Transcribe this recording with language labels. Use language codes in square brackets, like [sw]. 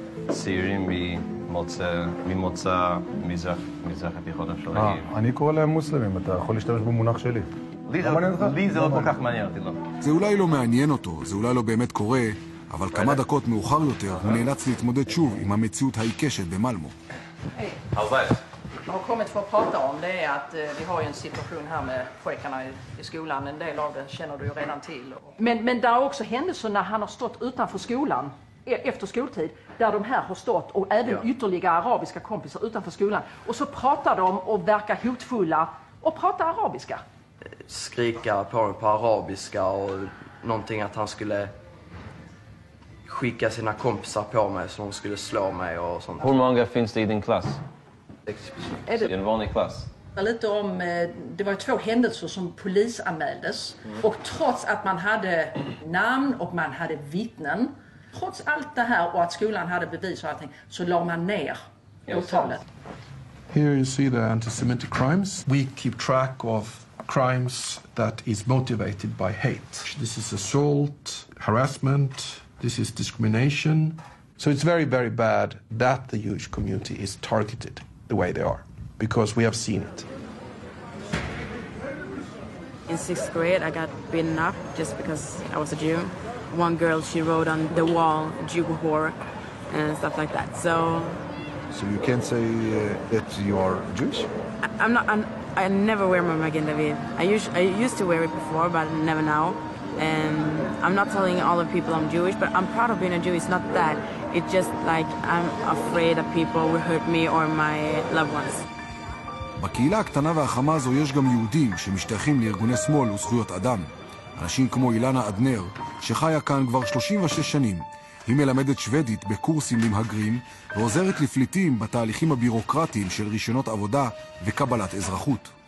[he] צעירים ממוצא מזרח התיכון אפשר להגיד. אני קורא להם מוסלמים, אתה יכול להשתמש במונח שלי. לי זה לא כל כך מעניין אותי, לא. זה אולי לא מעניין אותו, זה אולי לא באמת קורה, אבל כמה דקות מאוחר יותר הוא נאלץ להתמודד שוב עם המציאות העיקשת במלמו. [sv] Jag har kommit för att prata om det är att vi har ju en situation här med pojkarna i skolan. En del av det känner du ju redan till. Men det har också hänt så när han har stått utanför skolan efter skoltid. Där de här har stått och även ytterligare arabiska kompisar utanför skolan. Och så pratar de och verkar hotfulla och pratar arabiska. Skrika på honom på arabiska och någonting att han skulle skicka sina kompisar på mig så de skulle slå mig och sånt. Hur många finns det i din klass? I en vanlig klass. Lite om, det var två händelser som polisanmäldes. Mm. Och trots att man hade namn och man hade vittnen, trots allt det här och att skolan hade bevis och allting, så la man ner åtalet. [en] Here you see the anti-Semitic crimes. We keep track of crimes that is motivated by hate. This is assault, harassment, this is discrimination, So it's very, very bad that the Jewish community is targeted the way they are, because we have seen it. In sixth grade, I got beaten up just because I was a Jew. One girl, she wrote on the wall, Jew whore, and stuff like that, so... So you can't say that you are Jewish? I never wear my Magen David. I used to wear it before, but never now. And I'm not telling all the people I'm Jewish, but I'm proud of being a Jew. It's not that. It's just like I'm afraid that people will hurt me or my loved ones. [he] בקהילה הקטנה והחמה הזו יש גם יהודים שמשתייכים לארגוני שמאל וזכויות אדם. אנשים כמו אילנה אדנר, שחיה כאן כבר 36 שנים. היא מלמדת שוודית בקורסים למהגרים ועוזרת לפליטים בתהליכים הבירוקרטיים של רישיונות עבודה וקבלת אזרחות.